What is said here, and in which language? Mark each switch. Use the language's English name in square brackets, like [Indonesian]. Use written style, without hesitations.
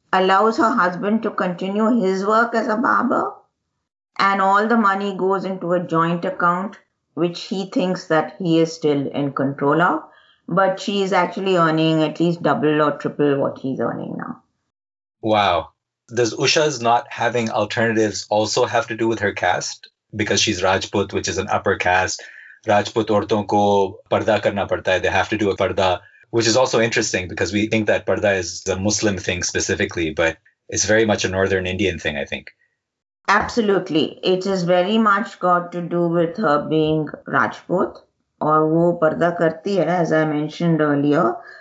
[English] allows her husband to continue his work as a barber, and all the money goes into a joint account, which he thinks that he is still in control of, but she is actually earning at least double or triple what he's earning now. Wow. Does Usha's not having alternatives also have to do with her caste? Because she's Rajput, which is an upper caste. [Hindi] Rajput औरतों को पर्दा करना पड़ता है। [English] They have to do a parda, which is also interesting because we think that parda is a Muslim thing specifically, but it's very much a Northern Indian thing, I think. Absolutely. It has very much got to do with her being Rajput. [Hindi] Aur wo parda karti hai, [English] as I mentioned earlier.